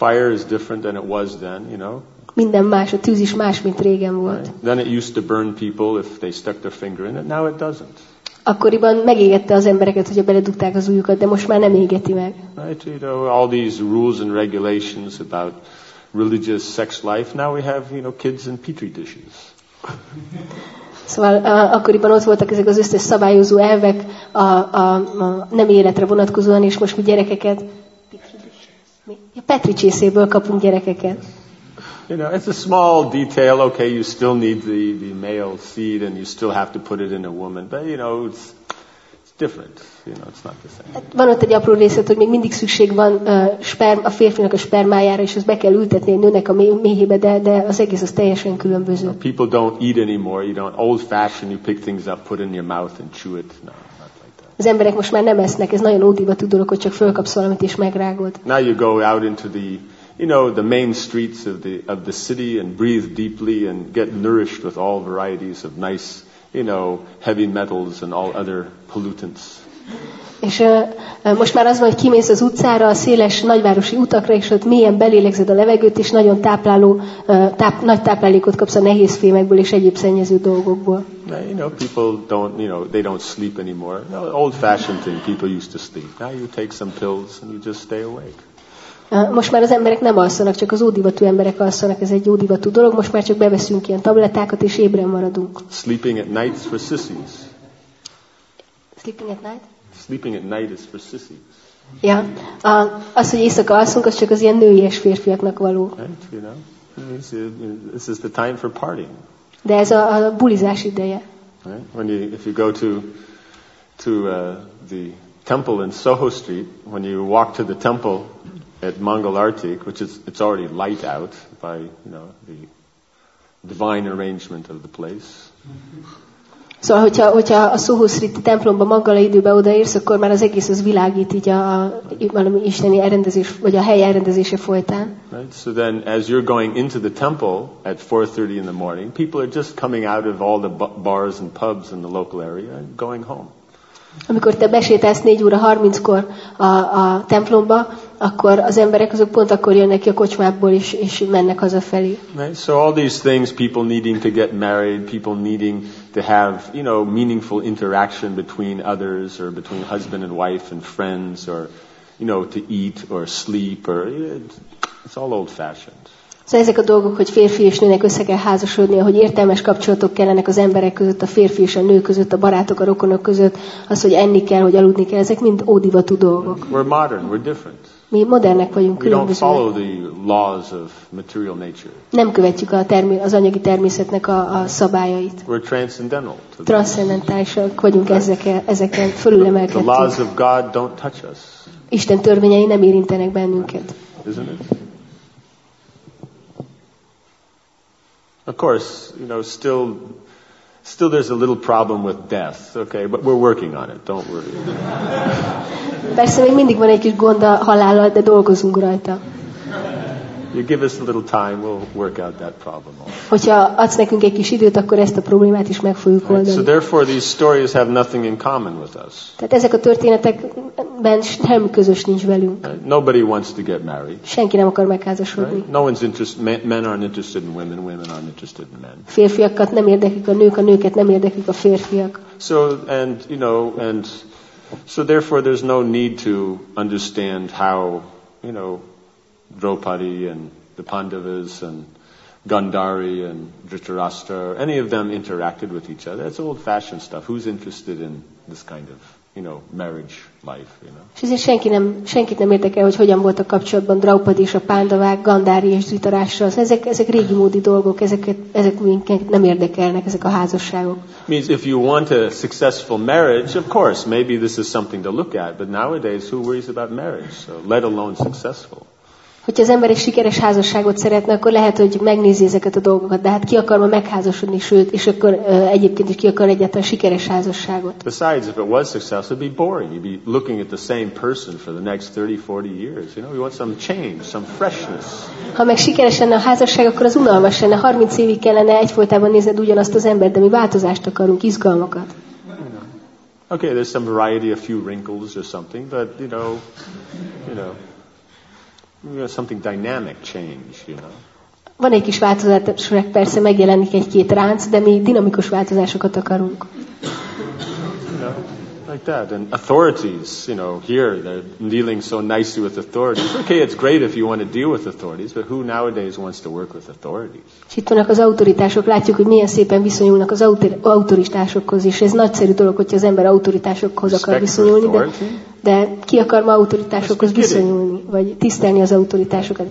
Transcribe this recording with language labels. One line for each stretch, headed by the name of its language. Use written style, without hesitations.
English: Fire is different than it was then, you know?
Hungarian: Minden más, a tűz is más, mint régen volt.
English: Right? Then it used to burn people if they stuck their finger in it, now it doesn't.
Hungarian: Akkoriban megégette az embereket, hogyha beledugták az ujjukat, de most már nem égeti meg.
English: Right? You know, all these rules and regulations about religious sex life, now we have, you know, kids in petri dishes.
Hungarian: Szóval akkoriban ott voltak ezek az összes szabályozó elvek a nem életre vonatkozóan, és most mi gyerekeket petri csészéből kapunk gyerekeket.
English: You know, it's a small detail. Okay, you still need the male seed and you still have to put it in a woman, but you know, it's different. You know, it's not the same.
Hungarian: Van ott egy apró részlet, hogy még mindig szükség van a férfinak a spermájára, és ezt be kell ültetni a nőnek a méhébe, de az egész az teljesen különböző.
English: You know, people don't eat anymore. You don't old fashioned. You pick things up, put in your mouth and chew it. No, not like that.
Hungarian: Az emberek most már nem esznek. Ez nagyon ódivatú dolog, hogy csak fölkapsz valamit és megrágod.
English: Now you go out into the, you know, the main streets of the city and breathe deeply and get nourished with all varieties of nice, you know, heavy metals and all other pollutants.
Hungarian: És most már az van, hogy kimész az utcára, a széles nagyvárosi utakra, és ott mélyen belélegzed a levegőt, és nagyon nagy táplálékot kapsz a nehéz fémekből és egyéb szennyező dolgokból.
English: Now, you know, people don't, you know, they don't sleep anymore. No, old-fashioned thing, people used to sleep. Now you take some pills and you just stay awake.
Hungarian: Most már az emberek nem alszanak, csak az ódivatú emberek alszanak, ez egy ódivatú dolog. Most már csak beveszünk ilyen tablettákat, és ébren maradunk.
English: Sleeping at night is for sissies. Sleeping at night? Sleeping at night is for sissies.
Hungarian: Ja, az, hogy éjszaka alszunk, az csak az ilyen nőies férfiaknak való.
English: Right, you know, this is the time for partying.
Hungarian: De ez a bulizás ideje.
English: Right? When you, if you go to the temple in Soho Street, when you walk to the temple at Mangalartik, which is, it's already light out by, you know, the divine arrangement of the place.
Hungarian: Szóval, hogyha a Suhasriti templomba maggal időben odaérsz, akkor már az egész az világít így a valami isteni elrendezés, vagy a hely elrendezése folytán.
English: Right. So then, as you're going into the temple at 4:30 in the morning, people are just coming out of all the bars and pubs in the local area and going home.
Hungarian: Amikor te besétálsz 4:30-kor a templomba, akkor az emberek azok pont akkor jönnek ki a kocsmából is, és mennek hazafelé.
English: Right. So all these things, people needing to get married, people needing to have, you know, meaningful interaction between others or between husband and wife and friends or, you know, to eat or sleep or it's all old fashioned.
Hungarian: So ezek a dolgok, hogy férfi és nőnek össze kell házasodnia, hogy értelmes kapcsolatok kellenek az emberek között, a férfi és a nő között, a barátok, a rokonok között, az, hogy enni kell, hogy aludni kell, ezek mind ódivatú dolgok.
English: We're modern, we're different.
Hungarian: Mi modernek vagyunk, különbözőek.
English: We don't follow the laws of material nature.
Hungarian: Nem követjük az anyagi természetnek a szabályait.
English: We're transcendental.
Hungarian: Transzcendentálisak vagyunk ezeken, fölülemelkedtünk.
English: The laws of God don't touch us.
Hungarian: Isten törvényei nem érintenek bennünket.
English: Isn't it? Of course, you know, still there's a little problem with death, okay, but we're working on it, don't worry.
Hungarian: Persze, még mindig van egy kis gond a halállal, de dolgozunk rajta.
English: You give us a little time, we'll work out that problem also.
Hungarian: Hogyha adsz nekünk egy kis időt, akkor ezt a problémát is meg fogjuk oldani.
English: Right, so therefore these stories have nothing in common with us.
Hungarian: Tehát ezek a történetekben semmi közös nincs velünk.
English: Nobody wants to get married.
Hungarian: Senki nem akar megházasodni.
English: Right? No one's interested, men aren't interested in women, women aren't interested in men.
Hungarian: Férfiakat nem érdeklik a nőket nem érdeklik a férfiak.
English: So, and, you know, and, so therefore there's no need to understand how, you know, Draupadi and the Pandavas and Gandhari and Dhritarashtra, any of them interacted with each other. It's old-fashioned stuff. Who's interested in this kind of, you know, marriage life, you know?
Hungarian: És ezért senkit nem érdekel, hogy hogyan voltak kapcsolatban Draupadi és a Pandavák, Gandhari és Dhritarashtra. Ezek régi módi dolgok, ezek minket nem érdekelnek, ezek a házasságok.
English: Means if you want a successful marriage, of course, maybe this is something to look at, but nowadays who worries about marriage, so let alone successful?
Hungarian: Hogyha az ember egy sikeres házasságot szeretne, akkor lehet, hogy megnézi ezeket a dolgokat. De hát ki akar ma megházasodni, sőt, és akkor egyébként is ki akar egyáltalán sikeres házasságot.
English: Besides, if it was successful, it'd be boring. You'd be looking at the same person for the next 30-40 years. You know, we want some change, some freshness.
Hungarian: Ha meg sikeres lenne a házasság, akkor az unalmas lenne. 30 évig kellene egyfolytában nézned ugyanazt az embert, de mi változást akarunk, izgalmakat.
English: Okay, there's some variety, a few wrinkles or something, but you know. You know, something dynamic change, you know.
Hungarian: Van egy kis változás, persze megjelenik egy-két ránc, de mi dinamikus változásokat akarunk.
English: You know, like that. And authorities, you know, here, they're dealing so nicely with authorities. Okay, it's great if you want to deal with authorities, but who nowadays wants to work with authorities?
Hungarian: Itt vannak az autoritások, látjuk, hogy milyen szépen viszonyulnak az autoritásokhoz, és ez nagyszerű dolog, hogyha az ember autoritásokhoz akar viszonyulni, de ki akar ma autoritásokhoz viszonyulni, vagy tisztelni az autoritásokat?